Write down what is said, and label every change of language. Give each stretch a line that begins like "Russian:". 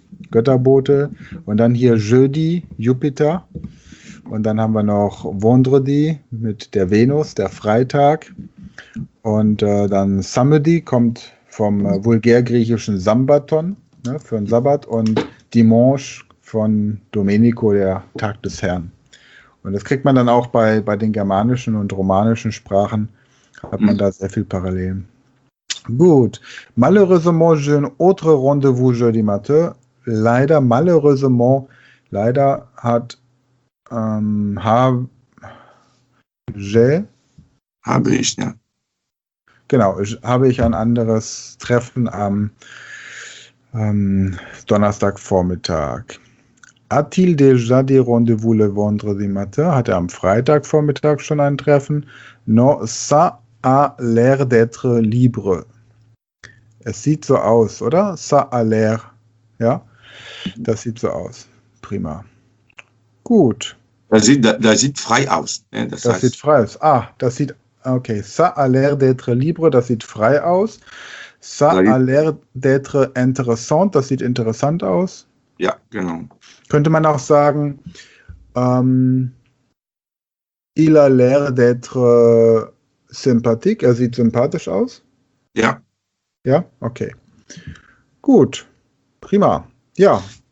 German: Götterbote und dann hier Jeudi, Jupiter und dann haben wir noch Vendredi mit der Venus, der Freitag und dann Samedi kommt vom vulgärgriechischen Sambaton, ne, für den Sabbat und Dimanche von Domenico, der Tag des Herrn. Und das kriegt man dann auch bei den germanischen und romanischen Sprachen, hat man da sehr viel Parallelen. Gut.
French: Malheureusement, j'ai un autre rendez-vous jeudi matin.
German: Leider, malheureusement, leider hat habe ich, genau, habe ich ein anderes Treffen am Donnerstagvormittag.
French: A-t-il déjà des rendez-vous le vendredi matin?
German: Hat er am Freitagvormittag schon ein Treffen?
French: Non, ça a l'air d'être libre.
German: Es sieht so aus, oder?
French: Ça a l'air.
German: Ja, das sieht so aus. Prima. Gut. Das sieht frei aus. Das sieht frei aus. Ah, das sieht, okay.
French: Ça a l'air d'être libre,
German: das sieht frei aus.
French: Ça a l'air d'être intéressant,
German: das sieht interessant aus. Ja, genau. Könnte man auch sagen,
French: il a l'air d'être sympathique,
German: er sieht sympathisch aus? Ja. Ja, okay. Gut, prima, ja.